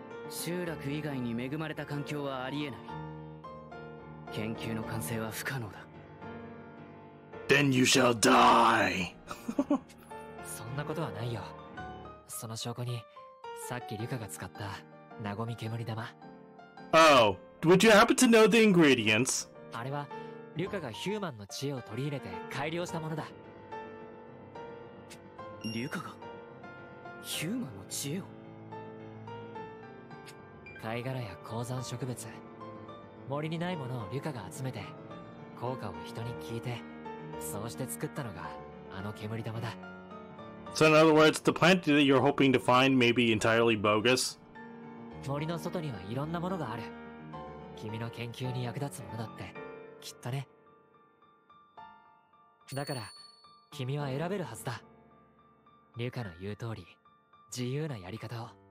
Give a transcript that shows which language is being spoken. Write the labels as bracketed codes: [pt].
[ja] 集落以外に恵まれた環境はありえない。研究の完成は不可能だ。 [en] Then you shall die! [ja] そんなことはないよ。その証拠にさっきリュカが使ったなごみ煙玉。 [en] Oh, would you happen to know the ingredients? [ja] あれはリュカがヒューマンの知恵を取り入れて改良したものだ。リュカがヒューマンの知恵を。貝殻や鉱山植物、森にないものをリュカが集めて効果を人に聞いて、そうして作ったのがあの煙玉だ。 [en] So in other words, the plant that you're hoping to find may be entirely bogus. [ja] 森の外にはいろんなものがある。君の研究に役立つものだってきっとね。だから君は選べるはずだ。リュカの言う通り、自由なやり方を。